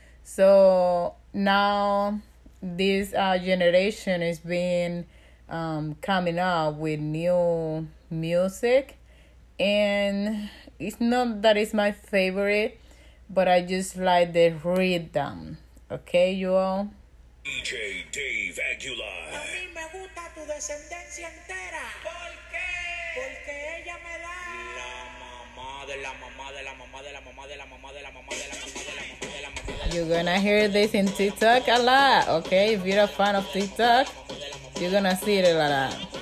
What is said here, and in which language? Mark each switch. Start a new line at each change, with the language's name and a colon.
English: So now this generation is being coming up with new music, and it's not that it's my favorite, but I just like the rhythm. Okay, you all. DJ Dave Aguilar.
Spanish: A mí me gusta tu descendencia entera. ¿Por qué? Porque ella me da la mamá de...
English: You're gonna hear this in TikTok a lot, okay? If you're a fan of TikTok, you're gonna see it a lot.